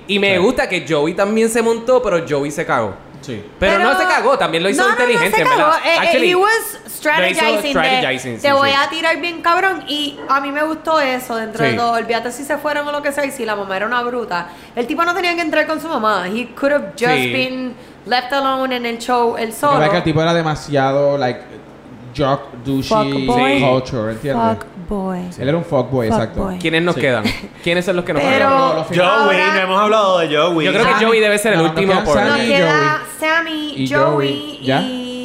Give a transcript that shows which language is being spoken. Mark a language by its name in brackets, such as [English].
[Spanish] Y me gusta que Joey también se montó, pero Joey se cagó. Sí. Pero no se cagó, también lo hizo inteligente. No, no se cagó. [English] Actually, he was strategizing. [Spanish] Voy a tirar bien cabrón. Y a mí me gustó eso dentro de todo. Olvídate si se fueron o lo que sea. Y si la mamá era una bruta. El tipo no tenía que entrar con su mamá. [English] He could have just been left alone [Spanish] en el show, el solo. Que el tipo era demasiado, [English] like, jock, douchey culture, [Spanish] ¿entiendes? [English] Fuckboy. [Spanish] Él era un fuckboy, [English] fuck [Spanish] exacto. [English] Boy. [Spanish] ¿Quiénes nos quedan? ¿Quiénes son los que nos quedan? Pero Joey, no hemos hablado de Joey. Yo creo que Joey debe ser el último. Nos queda Sammy, Joey. ¿Ya? Y...